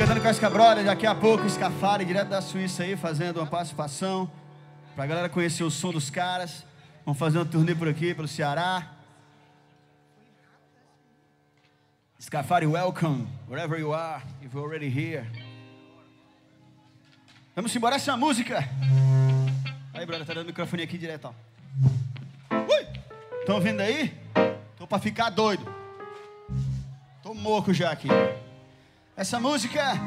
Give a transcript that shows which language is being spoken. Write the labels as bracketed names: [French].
[Portuguese] Escabrolha, daqui a pouco, Scafari, direto da Suíça aí, fazendo uma participação pra galera conhecer o som dos caras. Vamos fazer uma turnê por aqui, pelo Ceará. [English] Scafari, welcome, wherever you are, if you're already here. [Portuguese] Vamos embora, essa é a música. Aí, brother, tá dando o microfone aqui direto, ó. Ui! Tão ouvindo aí? Tô pra ficar doido. Tô moco já aqui. Essa música...